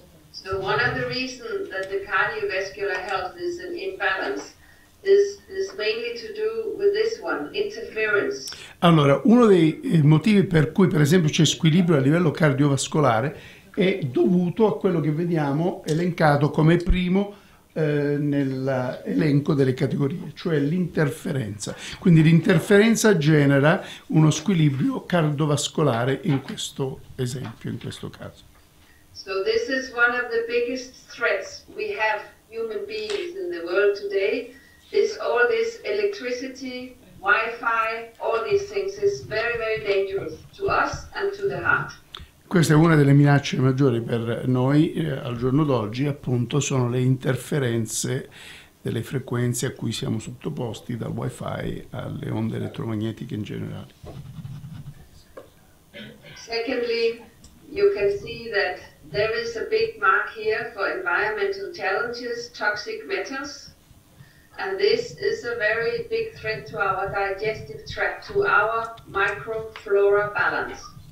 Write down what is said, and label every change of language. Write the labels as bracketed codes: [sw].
[en] So one of the reasons that the cardiovascular health is an imbalance is mainly to do with this one, interference. [it] Allora, uno dei motivi per cui, per esempio, c'è squilibrio a livello cardiovascolare è dovuto a quello che vediamo elencato come primo nell'elenco delle categorie, cioè l'interferenza. Quindi l'interferenza genera uno squilibrio cardiovascolare in questo esempio, in questo caso. [en] So this is one of the biggest threats we have human beings in the world today. It's all this electricity, Wi-Fi, all these things is very, very dangerous to us and to the heart. [it] Questa è una delle minacce maggiori per noi al giorno d'oggi, appunto, sono le interferenze delle frequenze a cui siamo sottoposti, dal Wi-Fi alle onde elettromagnetiche in generale. [en] Secondly, you can see that there is a big mark here for environmental challenges, toxic metals, and this is a very big threat to our digestive tract, to our microflora balance.